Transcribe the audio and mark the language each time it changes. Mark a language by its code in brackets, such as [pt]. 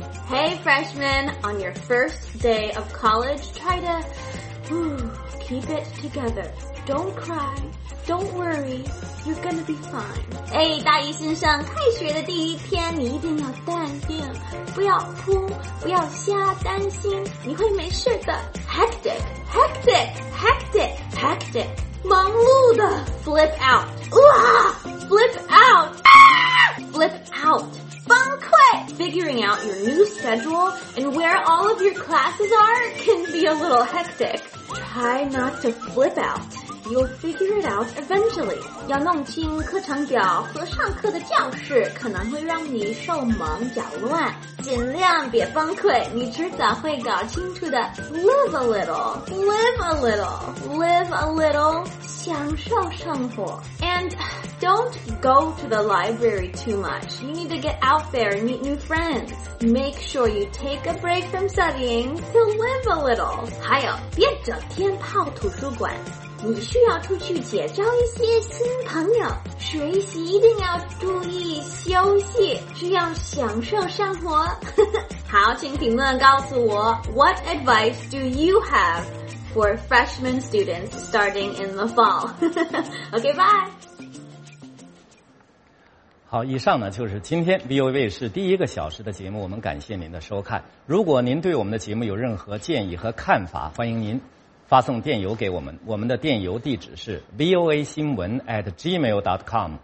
[en] Hey freshman, on your first day of college, try to Keep it togetherDon't cry, don't worry, you're gonna be fine. [zh] 哎，大一新生，开学的第一天，你一定要淡定，不要哭，不要瞎担心，你会没事的。 [en] Hectic, hectic, hectic, hectic, [zh] 忙碌的。 [en] Flip out, flip out, flip out, [zh] 崩溃。 [en] Figuring out your new schedule and where all of your classes are can be a little hectic. Try not to flip out. You'll figure it out eventually. [zh] 要弄清课程表和上课的教室可能会让你手忙脚乱，尽量别崩溃，你迟早会搞清楚的。 [en] Live a little, live a little, live a little, [zh] 享受生活。 [en] And don't go to the library too much. You need to get out there and meet new friends. Make sure you take a break from studying to live a little. [zh] 还有，别整天泡图书馆，你需要出去结交一些新朋友。学习一定要注意休息，需要享受生活。好，请评论告诉我 [en] What advice do you have for freshman students starting in the fall? OK, bye! [zh] 好，以上呢就是今天 VOA 是第一个小时的节目，我们感谢您的收看。如果您对我们的节目有任何建议和看法，欢迎您发送电邮给我们，我们的电邮地址是 voa 新闻@gmail.com。